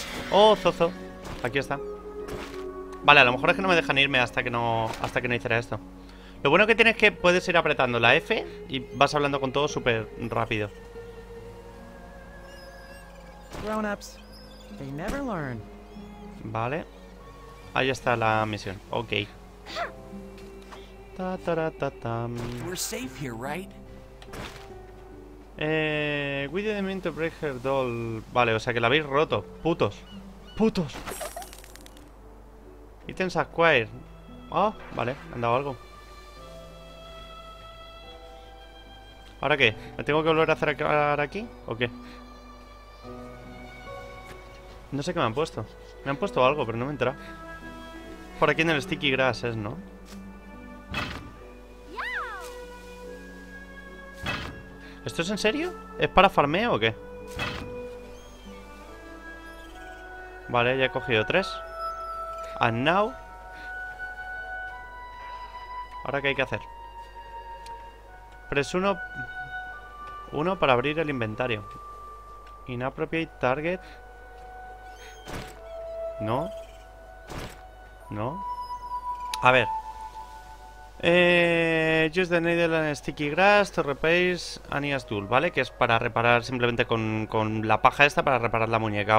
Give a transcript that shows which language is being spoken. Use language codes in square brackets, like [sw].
[es] Oh, Zozo. Aquí está. Vale, a lo mejor es que no me dejan irme hasta que no hiciera esto. Lo bueno que tienes es que puedes ir apretando la F y vas hablando con todo súper rápido. [en] Grown-ups, they never learn. [es] Vale. Ahí está la misión. Ok. Ta, ta, ta, ta, ta. [en] We're safe here, right? We didn't mean to break her doll. [es] Vale, o sea que la habéis roto. Putos. Putos. [en] Items acquired. [es] Oh, vale, han dado algo. ¿Ahora qué? ¿Me tengo que volver a acercar aquí? ¿O qué? No sé qué me han puesto. Me han puesto algo, pero no me entra. Por aquí en el sticky grass es, ¿no? ¿Esto es en serio? ¿Es para farmeo o qué? Vale, ya he cogido tres. [en] And now. [es] ¿Ahora qué hay que hacer? Press uno. Uno para abrir el inventario. [en] Inappropriate target. [es] No. No. A ver. [en] Use the needle and sticky grass to repair Anya's tool. [es] Vale, que es para reparar simplemente con la paja esta para reparar la muñeca.